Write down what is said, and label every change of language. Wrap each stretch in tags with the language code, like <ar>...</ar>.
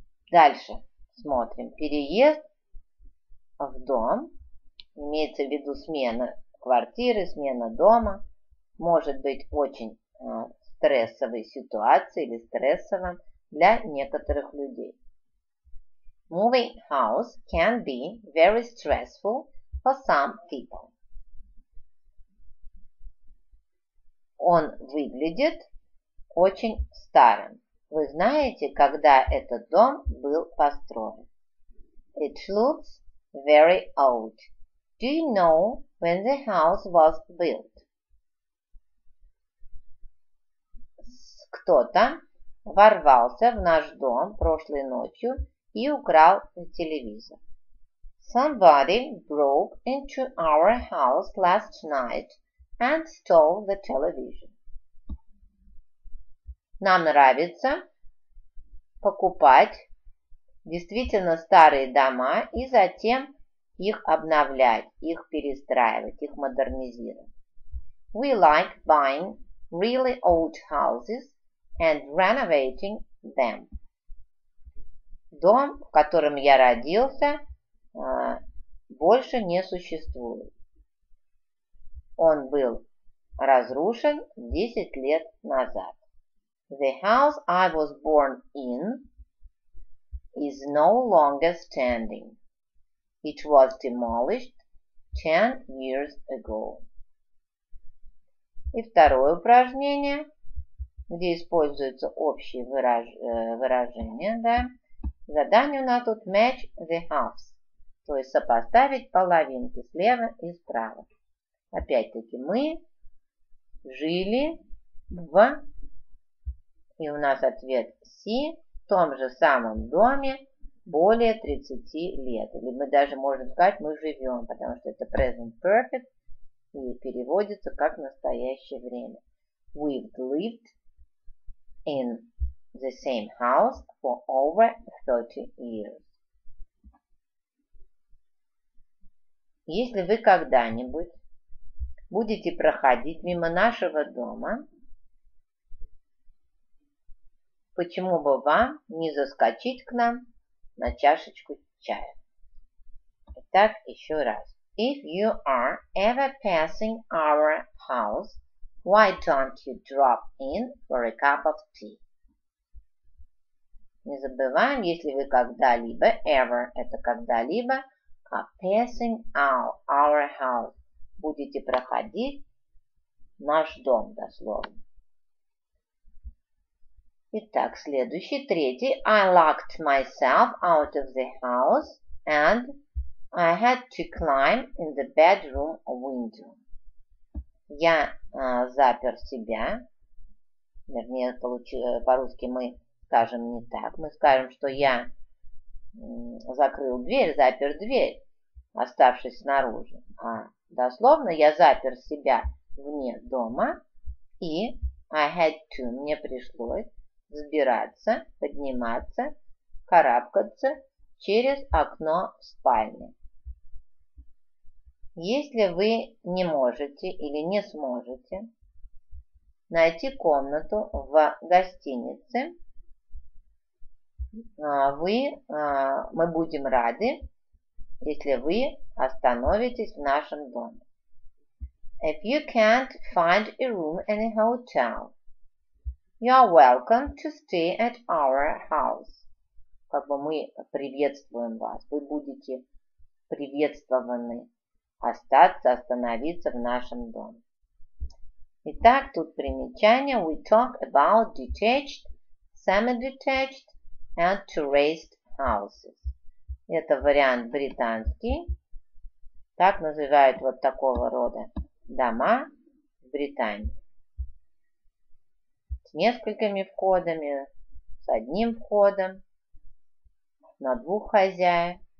<ru>Дальше смотрим. Переезд в дом. Имеется в виду смена квартиры, смена дома. Может быть очень стрессовой ситуацией или стрессовым для некоторых людей.</ru> <en>Moving house can be very stressful for some people.</en> <ru>Он выглядит очень старым. Вы знаете, когда этот дом был построен?</ru> <en>It looks very old. Do you know when the house was built?</en> <ru>Кто-то ворвался в наш дом прошлой ночью и украл телевизор.</ru> <en>Somebody broke into our house last night and stole the television.</en> <ru>Нам нравится покупать действительно старые дома и затем их обновлять, их перестраивать, их модернизировать.</ru> <en>We like buying really old houses and renovating them.</en> <ru>Дом, в котором я родился, больше не существует. Он был разрушен 10 лет назад.</ru> <en>The house I was born in is no longer standing. It was demolished 10 years ago.</en> <ru>И второе упражнение, где используются общие выражения. Да? Задание у нас тут</ru> <en>match the halves,</en> <ru>то есть сопоставить половинки слева и справа. Опять-таки мы жили в, и у нас ответ си, в том же самом доме более 30 лет. Или мы даже можем сказать, мы живем, потому что это present perfect и переводится как настоящее время.</ru> <en>We've lived in the same house for over 30 years.</en> <ru>Если вы когда-нибудь будете проходить мимо нашего дома, почему бы вам не заскочить к нам на чашечку чая? Итак, еще раз.</ru> <en>If you are ever passing our house, why don't you drop in for a cup of tea?</en> <ru>Не забываем, если вы когда-либо, ever, это когда-либо,</ru> <en>passing our house,</en> <ru>будете проходить наш дом, дословно. Итак, следующий, третий.</ru> <en>I locked myself out of the house and I had to climb in the bedroom window.</en> <ru>Я запер себя, вернее, по-русски мы скажем не так. Мы скажем, что я закрыл дверь, запер дверь, оставшись снаружи. А дословно я запер себя вне дома и</ru> <en>I had to,</en> <ru>мне пришлось взбираться, подниматься, карабкаться через окно спальни. Если вы не можете или не сможете найти комнату в гостинице, мы будем рады, если вы остановитесь в нашем доме.</ru> <en>If you can't find a room in a hotel, you are welcome to stay at our house.</en> <ru>Как бы мы приветствуем вас. Вы будете приветствованы остаться, остановиться в нашем доме. Итак, тут примечание.</ru> <en>We talk about detached, semi-detached and terraced houses.</en> <ru>Это вариант британский. Так называют вот такого рода дома в Британии. Несколькими входами, с одним входом, на двух хозяев.</ru>